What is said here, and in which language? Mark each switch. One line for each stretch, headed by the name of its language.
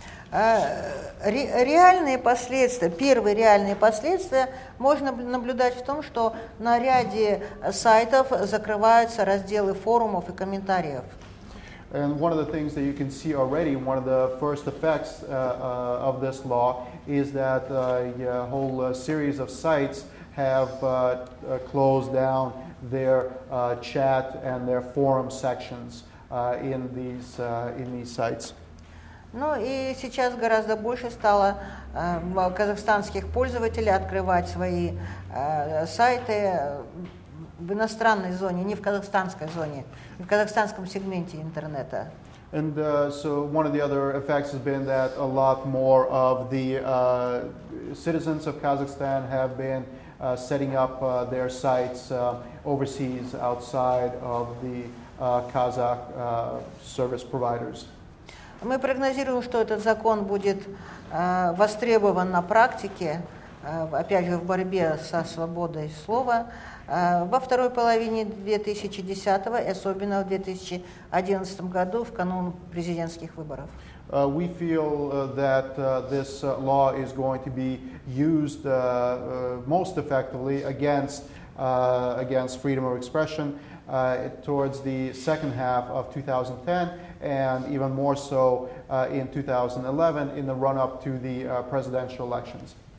Russian: Реальные последствия, первые реальные последствия можно наблюдать в том, что на ряде сайтов закрываются разделы форумов и комментариев.
English: And one of the things that you can see already, one of the first effects of this law is that a whole series of sites have closed down their chat and their forum sections in these sites.
Russian: Ну и сейчас гораздо больше стало казахстанских пользователей открывать свои сайты в иностранной зоне, не в казахстанской зоне, в казахстанском сегменте интернета.
English: And so one of the other effects has been that a lot more of the citizens of Kazakhstan have been setting up their sites overseas, outside of the Kazakh service providers.
Russian: Мы прогнозируем, что этот закон будет востребован на практике, опять же, в борьбе со свободой слова, во второй половине 2010-го, особенно в 2011 году, в канун президентских выборов.
English: We feel that this law is going to be used most effectively against freedom of expression towards the second half of 2010, and even more so in 2011 in the run-up to the presidential elections.